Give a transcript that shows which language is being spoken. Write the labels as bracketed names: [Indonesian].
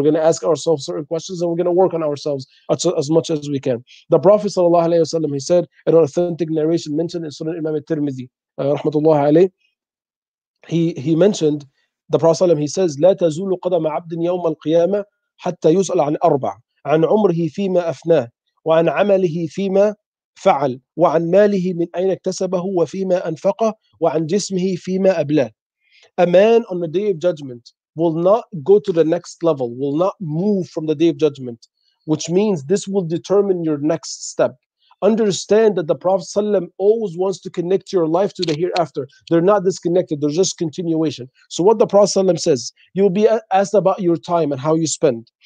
[English] We're going to ask ourselves certain questions and we're going to work on ourselves as much as we can. The Prophet sallallahu alayhi wasallam, he said, an authentic narration mentioned in Sunan Imam al-Tirmidhi, rahmatullahi alayhi, he mentioned, the Prophet sallallahu alayhi wasallam, he says, [Arabic] لا تزول قدم عبد يوم القيامة حتى يسأل عن أربع. عن عمره فيما أفناه وعن عمله فيما فعل وعن ماله من أين اكتسبه وفيما أنفقه وعن جسمه فيما أبلاه. [English] A man on the day of judgment will not go to the next level, will not move from the day of judgment, which means this will determine your next step. Understand that the Prophet sallam always wants to connect your life to the hereafter. They're not disconnected, they're just continuation. So what the Prophet sallam says, you'll be asked about your time and how you spend.